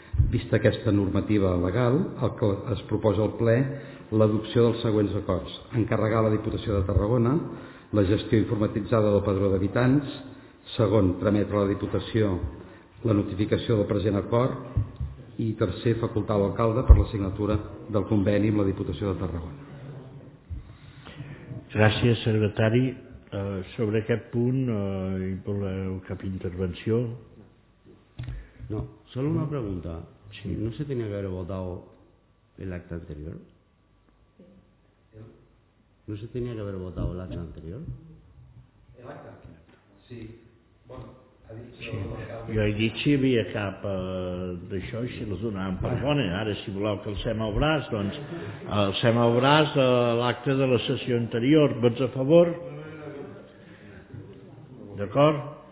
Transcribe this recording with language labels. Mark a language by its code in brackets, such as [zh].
[ca] Vista aquesta normativa legal, el que es proposa al ple l'adopció dels següents acords: encarregar a la Diputació de Tarragona la gestió informatitzada del padró d'habitants; segon, trametre a la Diputació la notificació del present acord; i tercer, facultar l'alcalde per la signatura del conveni amb la Diputació de Tarragona. Gràcies, secretari. Sobre aquest punt, hi voleu cap intervenció? [es] No, solo una pregunta. Sí. ¿No se tenía que haber votado el acta anterior? ¿No se tenía que haber votado el acta anterior? ¿El acta? Sí. Bueno, ha dicho... [ca] Sí. Jo he dit si havia cap d'això i si les donàvem per bona. Ara, si voleu que alcem el braç, doncs alcem el braç de l'acta de la sessió anterior. Vots a favor? D'acord?